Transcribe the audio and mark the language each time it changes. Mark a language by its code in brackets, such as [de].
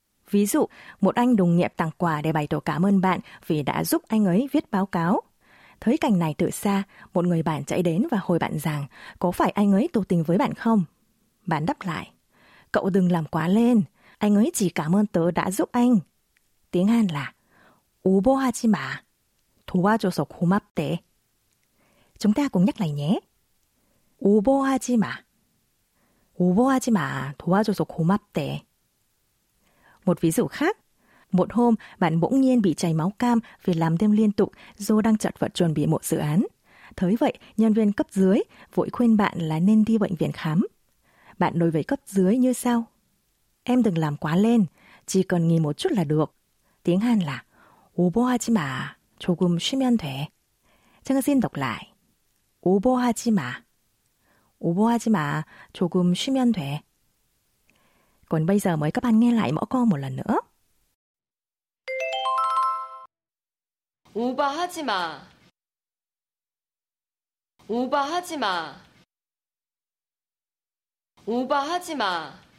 [vi] Ví dụ, một anh đồng nghiệp tặng quà để bày tỏ cảm ơn bạn vì đã giúp anh ấy viết báo cáo. Thấy cảnh này từ xa, một người bạn chạy đến và hỏi bạn rằng có phải anh ấy tỏ tình với bạn không? Bạn đáp lại, cậu đừng làm quá lên, anh ấy chỉ cảm ơn tớ đã giúp anh. Tiếng Hàn là [ko] 오버하지 마, 도와줘서 고맙대. [vi] Chúng ta cùng nhắc lại nhé. [ko] 오버하지 마, 오버하지 마, 도와줘서 고맙대. [vi] Một ví dụ khác. Một hôm, bạn bỗng nhiên bị chảy máu cam vì làm thêm liên tục do đang chật vật chuẩn bị một dự án. Thấy vậy, nhân viên cấp dưới vội khuyên bạn là nên đi bệnh viện khám. Bạn đối với cấp dưới như sau. Em đừng làm quá lên, chỉ cần nghỉ một chút là được. Tiếng Hàn là [ko] 오버하지 마, 조금 쉬면 돼. [vi] Chúng ta xin đọc lại. [ko] 오버하지 마, 오버하지 마, 조금 쉬면 돼. [vi] Còn bây giờ mời các bạn nghe lại mẫu câu một lần nữa. [ko] 오버하지 마. 오버하지 마. 오버하지 마.